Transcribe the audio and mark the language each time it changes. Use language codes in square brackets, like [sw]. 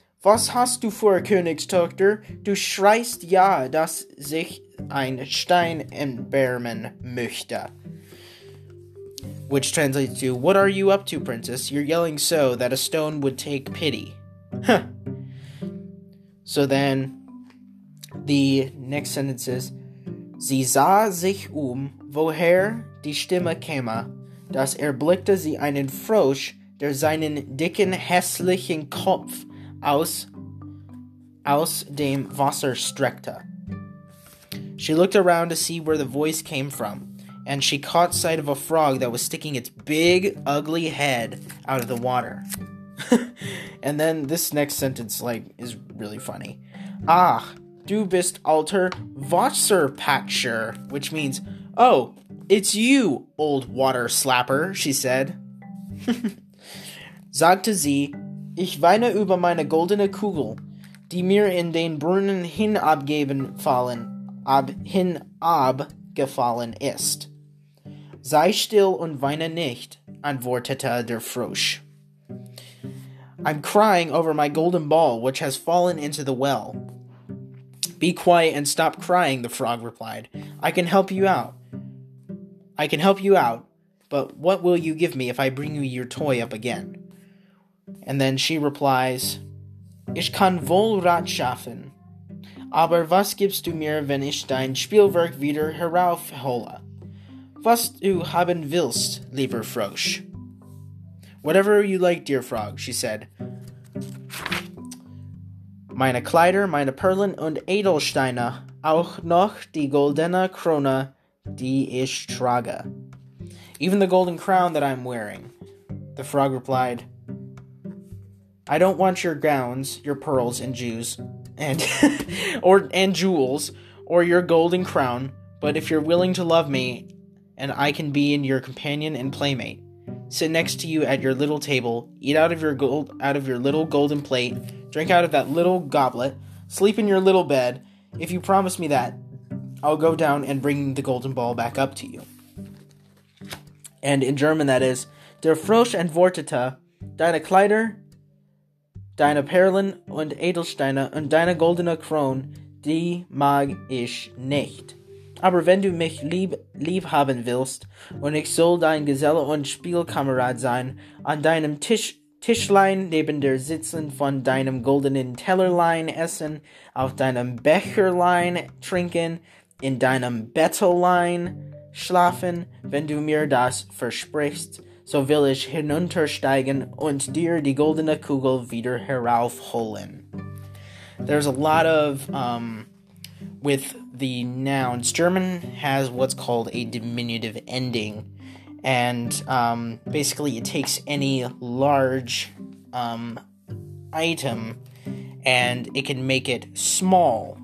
[de] Was hast du vor, Königstochter? Du schreist ja, dass sich ein Stein entbärmen möchte. [en] Which translates to, What are you up to, princess? You're yelling so that a stone would take pity. So then, the next sentence is, [de] Sie sah sich woher die Stimme käme, dass blickte sie einen Frosch, der seinen dicken hässlichen Kopf aus dem Wasser streckte. [en] She looked around to see where the voice came from. And she caught sight of a frog that was sticking its big, ugly head out of the water. And then this next sentence, is really funny. [de] Ach, du bist alter Wasserpatscher, [en] which means, oh, it's you, old water slapper, she said. [de] Sagte sie, ich weine über meine goldene Kugel, die mir in den Brunnen hinabgefallen ist. Sei still und weine nicht, antwortete der Frosch. [en] I'm crying over my golden ball, which has fallen into the well. Be quiet and stop crying, the frog replied. I can help you out, but what will you give me if I bring you your toy up again? And then she replies, [de] Ich kann wohl Rat schaffen, aber was gibst du mir, wenn ich dein Spielwerk wieder heraufhole? Was du haben willst, lieber Frosch. [en] Whatever you like, dear frog, she said. [de] Meine Kleider, meine Perlen und Edelsteine, auch noch die goldene Krone, die ich trage. [en] Even the golden crown that I'm wearing, the frog replied. I don't want your gowns, your pearls, and jewels, or your golden crown, but if you're willing to love me, and I can be in your companion and playmate, sit next to you at your little table, eat out of your little golden plate, drink out of that little goblet, sleep in your little bed, if you promise me that, I'll go down and bring the golden ball back up to you. And in German that is, [de] Der Frosch antwortete, Deine Kleider, Deine Perlen und Edelsteine und deine goldene Krone, die mag ich nicht. Aber wenn du mich lieb haben willst, und ich soll dein Geselle und Spielkamerad sein, an deinem Tischlein neben der Sitzen von deinem goldenen Tellerlein essen, auf deinem Becherlein trinken, in deinem Bettelein schlafen, wenn du mir das versprichst, so will ich hinuntersteigen und dir die goldene Kugel wieder heraufholen. [en] There's a lot of, with the nouns. German has what's called a diminutive ending. And, basically it takes any large, item and it can make it small.